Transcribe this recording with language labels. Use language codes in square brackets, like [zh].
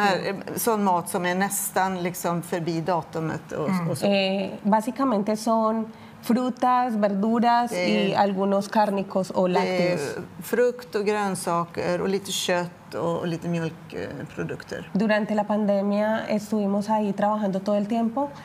[sv] Här, sån mat som är nästan liksom förbi datumet. Och, och så. [es] Básicamente son frutas, verduras y algunos cárnicos o lácteos. [sv] Frukt och grönsaker och lite kött och lite mjölkprodukter. [es] Durante la pandemia estuvimos ahí trabajando todo el tiempo.